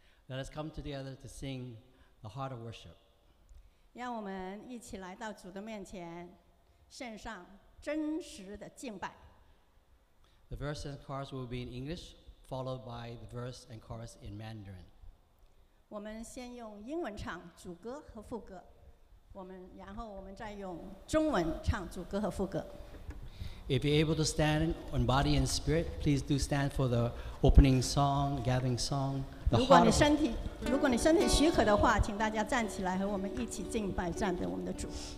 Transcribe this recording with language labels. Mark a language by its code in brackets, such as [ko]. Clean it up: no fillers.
[en] Let us come together to sing the heart of worship. [zh] 让我们一起来到主的面前，献上真实的敬拜。 [en] The verse and chorus will be in English, followed by the verse and chorus in Mandarin. [zh] 我们先用英文唱主歌和副歌。然后我们再用中文唱主歌和副歌。 [en] If you're able to stand in body and spirit, please do stand for the opening song, gathering song. [zh] 如果你身体许可的话, 请大家站起来和我们一起敬拜，赞美我们的主。